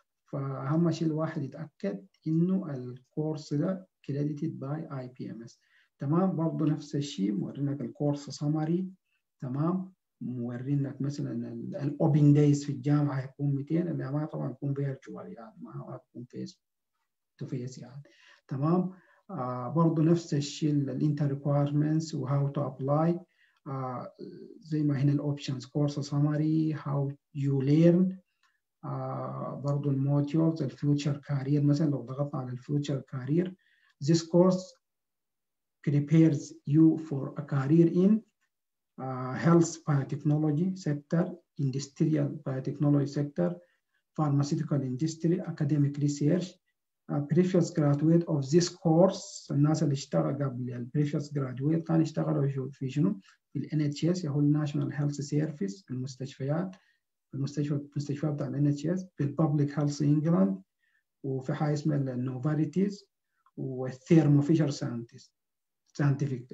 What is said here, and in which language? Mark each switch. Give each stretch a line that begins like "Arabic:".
Arabic: فأهم شيء الواحد يتأكد إنه الكورس ده
English: credited by IPMS
Arabic: تمام. برضو نفس الشيء مورينك الكورس summary تمام، مورينك مثلا الـ
English: open days
Arabic: في الجامعة هيكون 200، الجامعة طبعا هيكون virtual يعني ما هيكون
English: face to face
Arabic: يعني تمام. برضو نفس الشيء
English: الـ inter requirements و how to apply
Arabic: زي ما هنا
English: الـ options course summary how you learn برضو الـ modules الـ future career
Arabic: مثلا لو ضغطنا على
English: الـ future career this course prepares you for a career in health biotechnology sector, industrial biotechnology sector, pharmaceutical industry, academic research. Previous graduate of this course,
Arabic: الناس اللي اشتغل قبل الـ
English: previous graduate
Arabic: كان يشتغل في شنو؟ في الـ NHS يقول National Health Service المستشفيات المستشفى بتاع الـ NHS في الـ Public Health England وفي حاجة اسمها الـ Novartis والثيرمو فيشر ساينتفك.